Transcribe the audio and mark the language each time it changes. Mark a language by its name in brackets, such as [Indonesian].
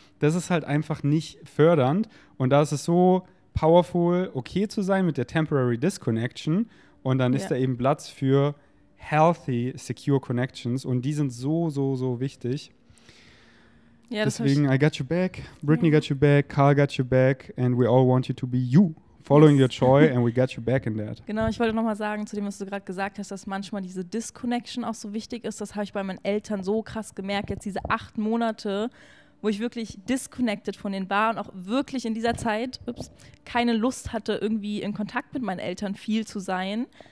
[German] Das ist halt einfach nicht fördernd. Und da ist es so powerful, okay zu sein mit der [English] temporary disconnection. [German] Und dann ist da eben Platz für [English] healthy, secure connections. [German] Und die sind so, so, so wichtig. Ja, deswegen, [English] I got you back. Britney got you back. Carl got you back. And we all want you to be you. Following your joy and we got you back in that. [German] Genau, ich wollte nochmal sagen, zu dem, was du gerade gesagt hast, dass manchmal diese Disconnection auch so wichtig ist. Das habe ich bei meinen Eltern so krass gemerkt. Jetzt diese 8 Monate, wo ich wirklich disconnected von denen war und auch wirklich in dieser Zeit keine Lust hatte, irgendwie in Kontakt mit meinen Eltern viel zu sein.